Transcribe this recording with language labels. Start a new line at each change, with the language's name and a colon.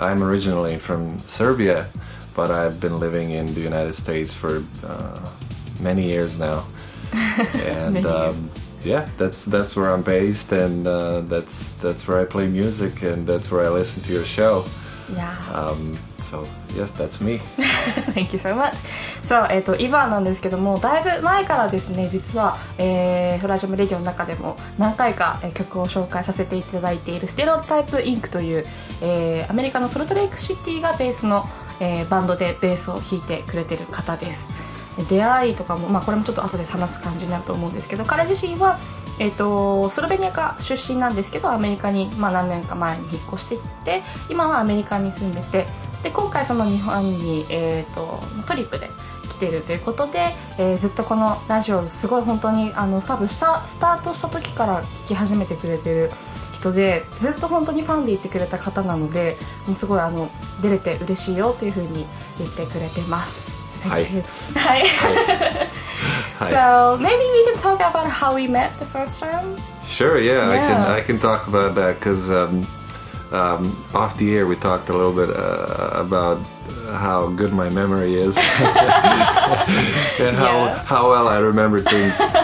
English: I'm originally from Serbia, but I've been living in the United States for many years now. And yeah, that's where I'm based, and that's where I play music, and that's where I listen to your show. Yeah. So, yes, that's me. Thank you so much.
Japanese: So, イヴァンなんですけども、だいぶ前からですね、実は、フラジャムレディオの中でも何回か、曲を紹介させていただいているステレオタイプインクという、アメリカのソルトレイクシティがベースの、バンドでベースを弾いてくれている方です。出会いとかも、まあ、これもちょっと後で話す感じになると思うんですけど、彼自身は、スロベニアが出身なんですけど、アメリカに、まあ、何年か前に引っ越してきて、今はアメリカに住んでて、で今回その日本に、トリップで来ているということで、ずっとこのラジオすごい本当にあの多分スタートした時から聞き始めてくれてる人でずっと本当にファンでいてくれた方なのでもうすごいあの出れて嬉しいよというふうに言ってくれてます。はい。
English: はい。So maybe we can talk about how we met the first time. Sure. Yeah. I can talk about that because. Off the air, we talked a little bit about how good my memory is and how well I remember things.